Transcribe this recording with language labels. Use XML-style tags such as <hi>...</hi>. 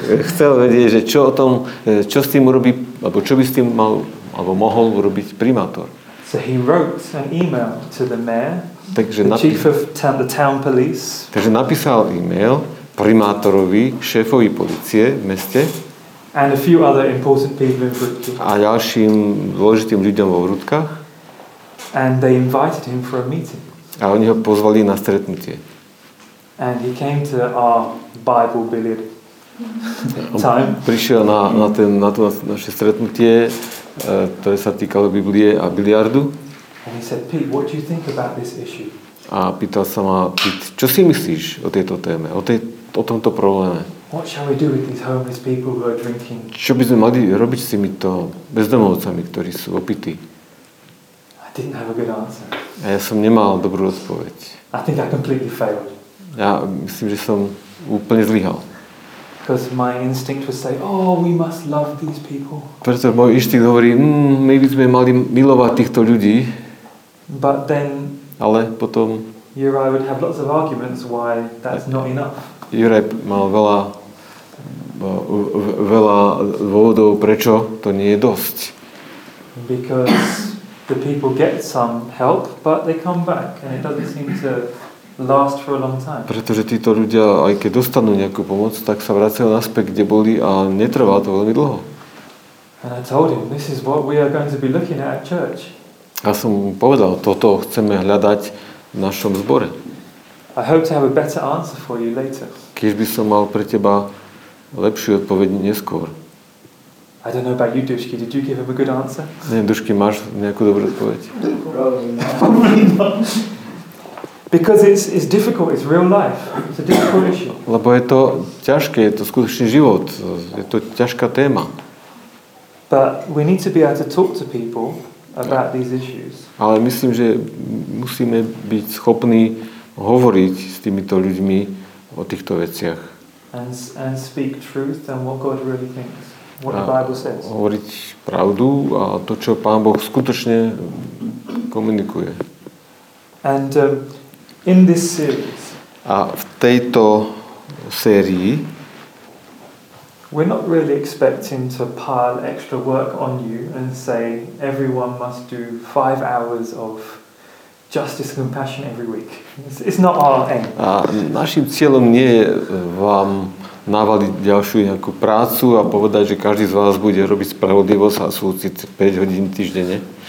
<sk>Chcel vedieť, že čo o tom, čo s tým urobí, alebo čo by s tým mal, alebo mohol urobiť primátor.</sk> <en>So he wrote an email to the mayor,</en> <sk>takže</sk> <en>the chief of the town police.</en> <sk>Takže napísal email primátorovi, šéfovi policie v meste.</sk> <en>And a few other important people in Vrútky.</en> <sk>A ďalším dôležitým ľuďom vo Vrútkach.</sk> <en>And they invited him for a meeting.</en> <sk>A oni ho pozvali na stretnutie.</sk> <en>And he came to our Bible billiard time.</en> <sk>Prišiel na to naše stretnutie, ktoré sa týkalo Biblie a biliardu.</sk> <en>And he said, Pete, what do you think about this issue?</en> <sk>A pýtal sa ma, Pete, čo si myslíš o tejto téme, o tomto probléme?</sk> <en>What shall we do with these homeless people who are drinking?</en> <sk>Čo by sme mali robiť s týmito bezdomovcami, ktorí sú opití?</sk> <en>I didn't have a good answer.</en> <sk>A ja som nemal dobrú odpoveď.</sk> <en>I think I completely failed.</en> <sk>Ja myslím, že som úplne zlyhal.</sk> <en>Because my instinct was say, oh, we must love these people.</en> <sk>Preto môj inštinkt hovorí, my by sme mali milovať týchto ľudí.</sk> <en>But then,</en> <sk>ale potom</sk> <en>Juraj would have lots of arguments why that's not enough.</en> <sk>Juraj mal veľa dôvodov, prečo to nie je dosť.</sk> <en>Because the people get some help, but they come back and it doesn't seem to last for a long time.</en> <sk>Pretože títo ľudia, aj keď dostanú nejakú pomoc, tak sa vracajú naspäť, kde boli a netrvá to veľmi dlho.</sk> <en>And I told him, this is what we are going to be looking at church.</en> <sk>A som povedal, toto chceme hľadať v našom zbore.</sk> <en>I hope to have a better answer for you later.</en> <sk>Keď by som mal pre teba lepšiu odpoveď neskôr.</sk> <en>I don't know about you, Dušky. Did you give him a good answer?</en> <sk>Nie, Dušky, máš nejakú dobrú odpoveď?</sk> <en>Because it's difficult, it's real life. It's a difficult issue.</en> <sk>Lebo je to ťažké, je to skutočný život. Je to ťažká téma.</sk> <en>But we need to be able to talk to people about these issues.</en> <sk>Ale myslím, že musíme byť schopní hovoriť s týmito ľuďmi o týchto veciach.</sk> <en>And speak truth and what God really thinks. What the Bible says.</en> <sk>Hovoriť pravdu a to, čo Pán Boh skutočne komunikuje.</sk> <en>And in this series.</en> <sk>A v tejto sérii</sk> <en>we're not really expecting to pile extra work on you and say everyone must do 5 hours of justice and compassion every week. It's not our aim.</en> <sk>A našim cieľom nie je vám navaliť ďalšiu nejakú prácu a povedať, že každý z vás bude robiť spravodlivosť a súcit 5 hodín týždenne.</sk>